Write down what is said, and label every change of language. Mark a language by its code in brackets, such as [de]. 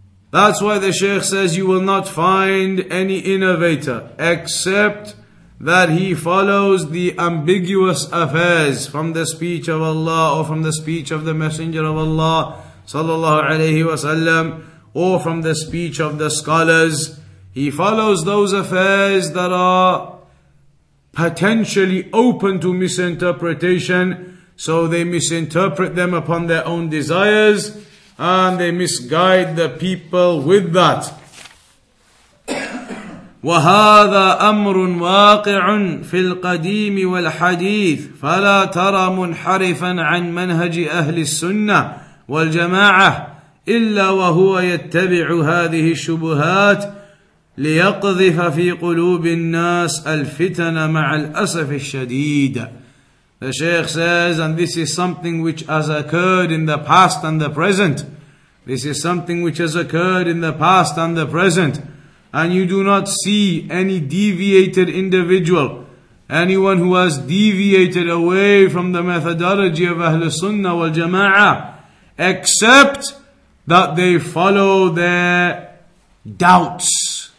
[en] That's why the Sheikh says, you will not find any innovator except that he follows the ambiguous affairs from the speech of Allah or from the speech of the Messenger of Allah sallallahu alayhi wa sallam, or from the speech of the scholars. He follows those affairs that are potentially open to misinterpretation, so they misinterpret them upon their own desires, and they misguide the people with that. [ar] وَهَذَا أَمْرٌ وَاقِعٌ فِي الْقَدِيمِ وَالْحَدِيثِ فَلَا تَرَى مُنْحَرِفًا عَنْ مَنْهَجِ أَهْلِ السُّنَّةِ والجماعة إلا وهو يتبع هذه الشبهات ليقذف في قلوب الناس الفتن مع الأسف الشديد. [en] The Sheikh says, and this is something which has occurred in the past and the present. This is something which has occurred in the past and the present. And you do not see any deviated individual, anyone who has deviated away from the methodology of Ahl Sunnah wal Jama'ah, except that they follow their doubts.